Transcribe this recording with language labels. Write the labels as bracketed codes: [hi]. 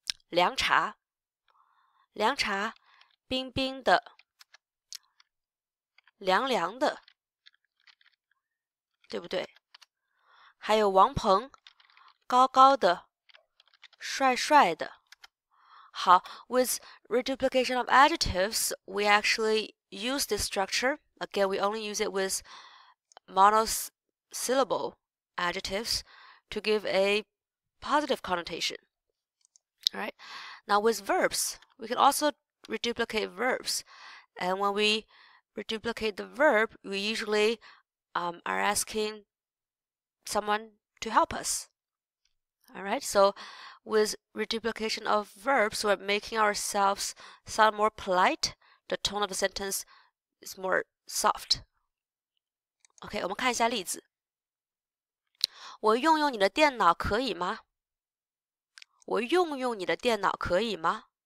[zh] 凉茶，凉茶，冰冰的，凉凉的，对不对？还有王鹏，高高的，帅帅的。 [en] 好, with reduplication of adjectives, we actually use this structure. Again, we only use it with monosyllable adjectives to give a positive connotation. All right? Now, with verbs, we can also reduplicate verbs. And when we reduplicate the verb, we usually are asking someone to help us. All right, so with reduplication of verbs, we're making ourselves sound more polite. The tone of the sentence is more soft. [zh] OK, 我们看一下例子。我用用你的电脑可以吗？我用用你的电脑可以吗？